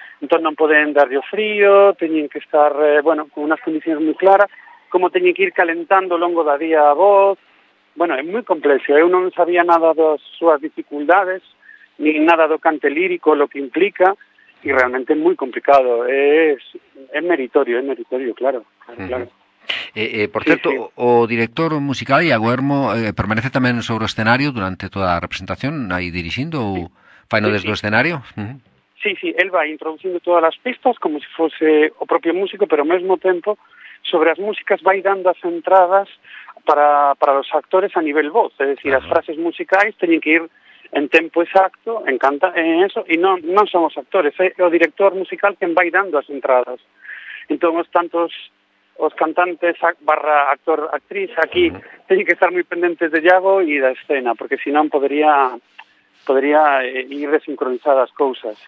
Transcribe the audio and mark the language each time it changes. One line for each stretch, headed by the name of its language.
Galician: Entón non poden darlle o frío, teñen que estar, bueno, con unhas condicións moi claras, como teñen que ir calentando ao longo da día a voz. Bueno, é moi complexo, eu non sabía nada das súas dificultades, ni nada do cante lírico,
Spanish: lo que implica, y realmente es muy complicado. Es meritorio, claro. Por cierto, sí.
Galician: O director musical, Iago Hermo, permanece
Spanish: también
Galician: sobre o escenario durante toda a representación, ahí dirigindo, sí. Faino sí, desde sí. O escenario.
Spanish: Sí, sí, él va introduciendo todas las pistas, como si fuese o propio músico, pero al mismo tiempo, sobre las músicas, va dando as entradas para los actores a nivel voz, es decir, las frases musicales tienen que ir en tempo exacto, en eso,
Galician: e non son os actores, é o director musical quen vai dando as entradas. Entón, os cantantes barra actor, actriz, aquí, teñen que estar moi pendentes de Iago e da escena, porque senón podería ir desincronizadas as cousas.